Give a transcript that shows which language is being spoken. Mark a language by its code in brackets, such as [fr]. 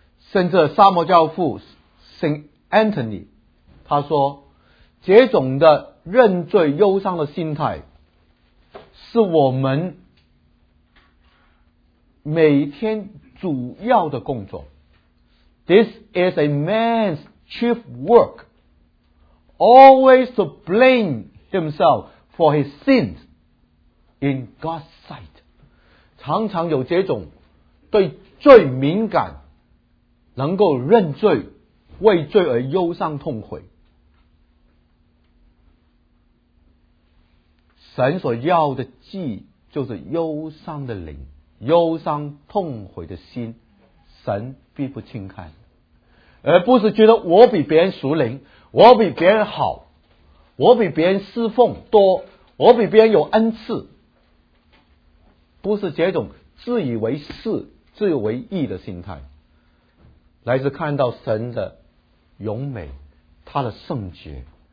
[zh] 甚至沙漠教父 Saint Anthony 他说，这种的认罪忧伤的心态是我们每天主要的工作。 [en] This is a man's chief work, always to blame himself for his sins in God's sight. [zh] 常常有这种对罪敏感，能够认罪为罪而忧伤痛悔。神所要的祭就是忧伤的灵，忧伤痛悔的心，神并不轻看，而不是觉得我比别人属灵，我比别人好，我比别人侍奉多，我比别人有恩赐，不是这种自以为是、自以为义的心态，乃是看到神的荣美，他的圣洁，